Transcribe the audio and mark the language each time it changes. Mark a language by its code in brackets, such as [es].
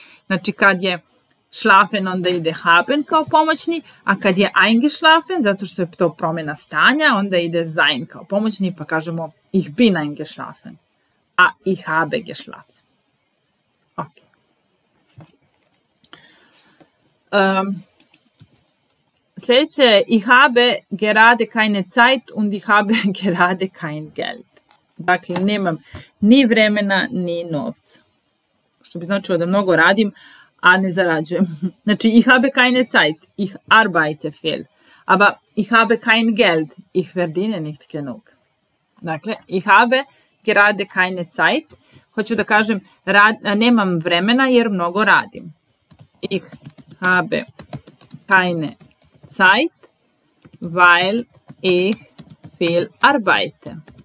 [hr] Znači, kad je schlafen, onda ide haben kao pomoćni, a kad je eingeschlafen, zato što je to promjena stanja, onda ide sein kao pomoćni, pa kažemo [de] ich bin eingeschlafen, [hr] a [de] ich habe geschlafen. [hr] Ok. [de] Sljedeće, ich habe gerade keine Zeit und ich habe gerade kein Geld. [hr] Dakle, nemam ni vremena, ni novca. Što bi značilo da mnogo radim, a ne zarađujem. [de] Znači, ich habe keine Zeit, ich arbeite viel. Aber ich habe kein Geld, ich verdiene nicht genug. [hr] Dakle, [de] ich habe gerade keine Zeit. [hr] Hoću da kažem, nemam vremena jer mnogo radim. [de] Ich habe keine Zeit, weil ich viel arbeite.